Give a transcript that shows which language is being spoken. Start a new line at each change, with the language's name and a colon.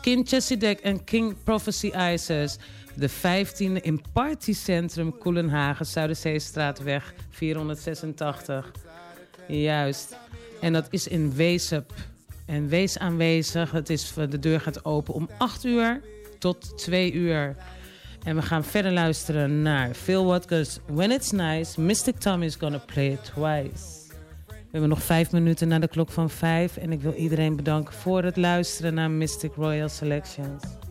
Dutch: King Chesedek en King Prophecy Isis. De 15e in Party Centrum Koelenhagen, Zuiderzeestraatweg 486. Juist. En dat is in Wezep. En wees aanwezig. Het is, de deur gaat open om 8 uur tot 2 uur. En we gaan verder luisteren naar Phil Watkins.
English: When It's Nice, Mystic Tommy is gonna play it twice.
Dutch: We hebben nog 5 minuten na de klok van 5. En ik wil iedereen bedanken voor het luisteren naar Mystic Royal Selections.